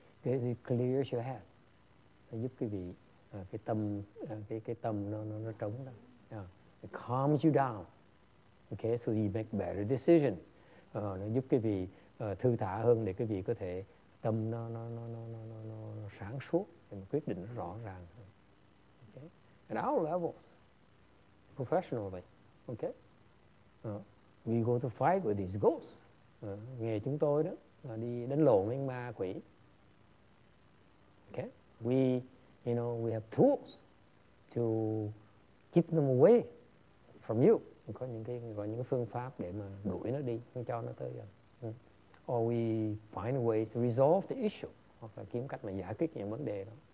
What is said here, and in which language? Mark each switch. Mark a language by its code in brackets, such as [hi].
[en] This clears your head. [vi] Nó giúp quý vị cái tâm nó trống đó. Yeah. [en] It calms you down. Okay, so you make better decision. [vi] Nó giúp quý vị thư thả hơn để quý vị có thể tâm nó sáng suốt để quyết định nó rõ ràng. [en] Okay. At our levels, professionally, okay, we go to fight with these ghosts. [vi] Nghề chúng tôi đó là đi đánh lộn với ma quỷ. [en] Okay. We have tools to keep them away from you. [vi] Có những cái phương pháp để mà đuổi nó đi, không cho nó tới gần. [en] Or we find ways to resolve the issue, [vi] hoặc là kiếm cách mà giải quyết những vấn đề đó.